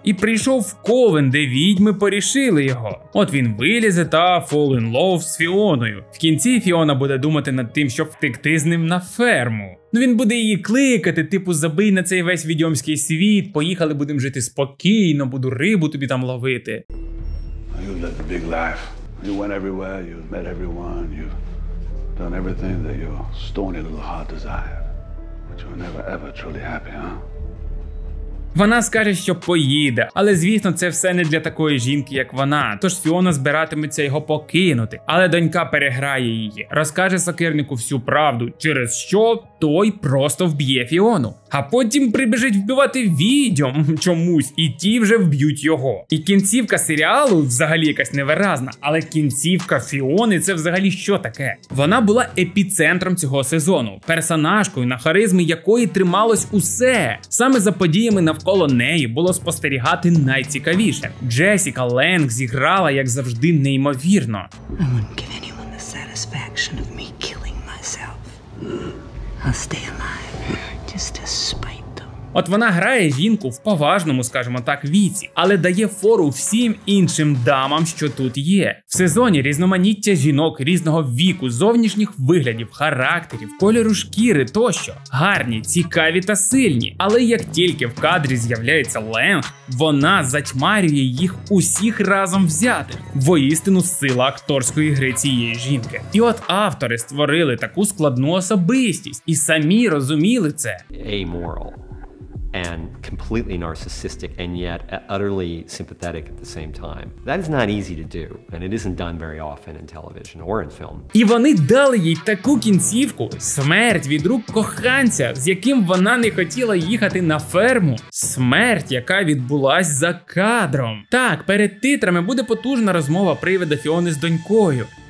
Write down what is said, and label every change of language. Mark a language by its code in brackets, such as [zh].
[uk] І прийшов в Ковен, де відьми порішили його. От він вилізе та [en] fall in love [uk] з Фіоною. В кінці Фіона буде думати над тим, щоб втекти з ним на ферму. Ну він буде її кликати, типу забий на цей весь відьомський світ, поїхали, будемо жити спокійно, буду рибу тобі там ловити. [en] You went everywhere, you met everyone, you've done everything that your stony little heart desired. But you were never ever truly happy, huh? [uk] Вона скаже, що поїде, але звісно, це все не для такої жінки, як вона. Тож Фіона збиратиметься його покинути. Але донька переграє її. Розкаже Сокирнику всю правду, через що той просто вб'є Фіону. А потім прибіжить вбивати відьом чомусь, і ті вже вб'ють його. І кінцівка серіалу взагалі якась невиразна, але кінцівка Фіони це взагалі що таке? Вона була епіцентром цього сезону, персонажкою, на харизмі якої трималось усе. Саме за подіями навколо неї було спостерігати найцікавіше. Джессіка Ленг зіграла, як завжди, неймовірно. [en] I won't give anyone the satisfaction of me killing myself. I'll stay alive. Just to spite them. [uk] От вона грає жінку в поважному, скажімо так, віці, але дає фору всім іншим дамам, що тут є. В сезоні різноманіття жінок різного віку, зовнішніх виглядів, характерів, кольору шкіри тощо. Гарні, цікаві та сильні. Але як тільки в кадрі з'являється Ленг, вона затьмарює їх усіх разом взятих. Воістину сила акторської гри цієї жінки. І от автори створили таку складну особистість і самі розуміли це. [en] Amoral. And completely narcissistic and yet utterly sympathetic at the same time. That is not easy to do, and it isn't done very often in television or in film. [uk] І вони дали їй таку кінцівку: смерть від рук коханця, з яким вона не хотіла їхати на ферму. Смерть, яка відбулась за кадром. Так, перед титрами буде потужна розмова привида Фіони з донькою.